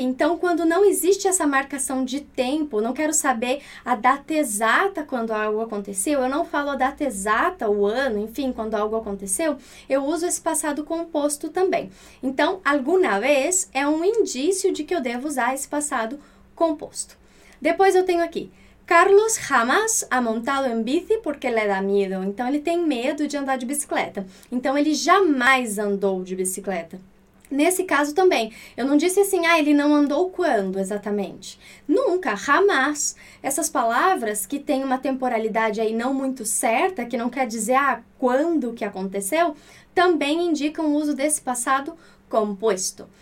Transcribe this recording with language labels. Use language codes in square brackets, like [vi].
[pt] Então, quando não existe essa marcação de tempo, não quero saber a data exata quando algo aconteceu, eu não falo a data exata, o ano, enfim, quando algo aconteceu, eu uso esse passado composto também. Então, alguma vez é um indício de que eu devo usar esse passado composto. Depois eu tenho aqui. [es] Carlos jamás ha montado en bici porque le da miedo. [pt] Então ele tem medo de andar de bicicleta. Então ele jamais andou de bicicleta. Nesse caso também, eu não disse assim, ah, ele não andou quando exatamente? Nunca, jamás. Essas palavras que têm uma temporalidade aí não muito certa, que não quer dizer ah, quando que aconteceu, também indicam o uso desse passado composto.